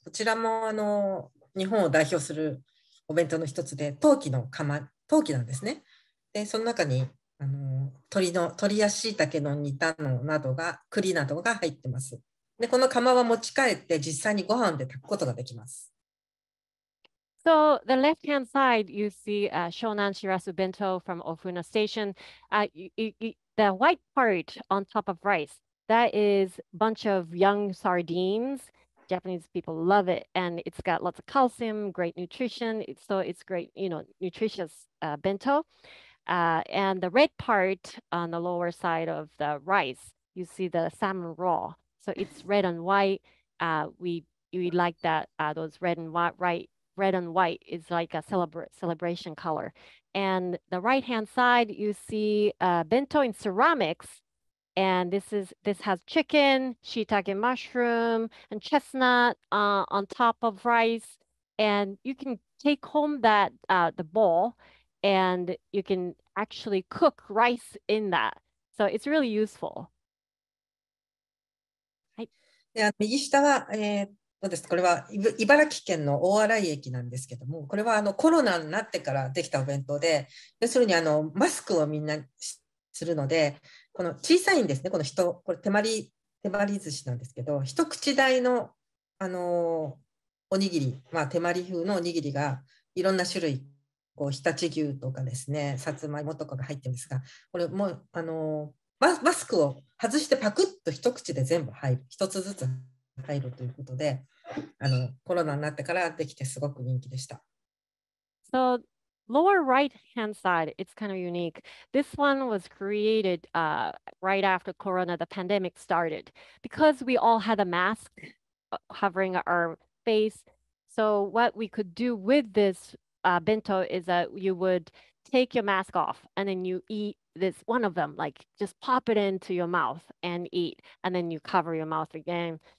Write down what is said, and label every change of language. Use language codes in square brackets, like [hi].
[ja] こちらもあの日本を代表するお弁当の一つで陶器の釜、陶器なんですね。でその中にあの鶏や椎茸の煮たのなどが栗などが入ってます。でこの釜は持ち帰って実際にご飯で炊くことができます。 [en] So the left hand side you see a Shonan Shirasu bento from Ofuna Station. The white part on top of rice, that is bunch of young sardines. Japanese people love it, and it's got lots of calcium, great nutrition. So it's great, you know, nutritious bento. And the red part on the lower side of the rice, you see the salmon raw. So it's red and white. We like that, those red and white, right? Red and white is like a celebration color. And the right-hand side, you see bento in ceramics. And this has chicken, shiitake mushroom, and chestnut on top of rice. And you can take home that, the bowl, and you can actually cook rice in that. So it's really useful. [ja] はい。で、右下は、どうですか？これは茨城県の大洗駅なんですけども、これはあのコロナになってからできたお弁当で、要するにあのマスクをみんなするので、この小さいんですね、この人、これ手まり寿司なんですけど、一口大の、おにぎり、まあ、手まり風のおにぎりがいろんな種類、こう日立牛とかですね、さつまいもとかが入ってるんですが、これもう、マスクを外してパクッと一口で全部入る、一つずつ入るということで、コロナになってからできてすごく人気でした。 [en] So lower right hand side, it's kind of unique. This one was created right after Corona, the pandemic started, because we all had a mask covering our face. So what we could do with this bento is that you would take your mask off and then you eat this one of them, like just pop it into your mouth and eat, and then you cover your mouth again.